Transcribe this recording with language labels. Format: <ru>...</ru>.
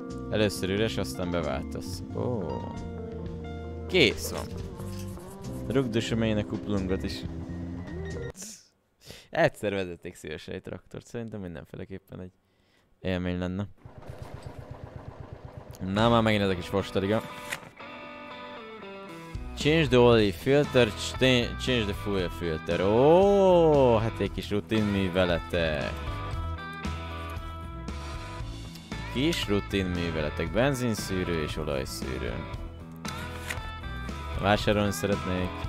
<hu>Először üres, aztán beváltasz. Kész van. Rugdusom én a kuplungot is. Egyszer vezették szívesen egy traktort. Szerintem mindenféleképpen egy élmény lenne. Na már megint ez a kis fosztariga.</hu> <en>Change the oil filter, change the fuel filter.</en> <hu>Hát egy kis rutin műveletek. Kis rutin műveletek. Benzinszűrő és olajszűrő. Vásárolni szeretnék.</hu>